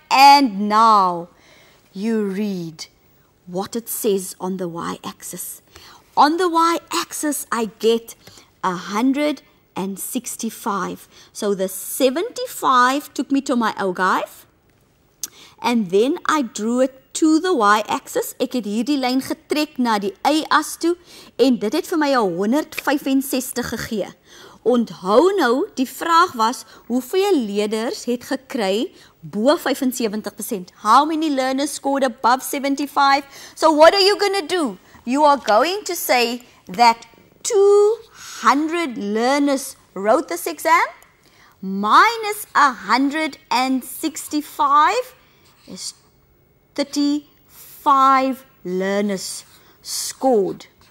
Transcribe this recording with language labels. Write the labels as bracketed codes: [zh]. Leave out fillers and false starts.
[en] And now you read what it says on the y-axis. On the y-axis, I get 165. So the 75 took me to my ogive. And then I drew it to the y-axis. [af] Ek het hierdie lyn getrek na die y-as toe. En dit het vir my 165 gegee. Onthou nou, die vraag was, hoeveel leerders het gekry bo 75%? [en] How many learners scored above 75? So what are you going to do? You are going to say that 200 learners wrote this exam. Minus 165 is 35 learners scored.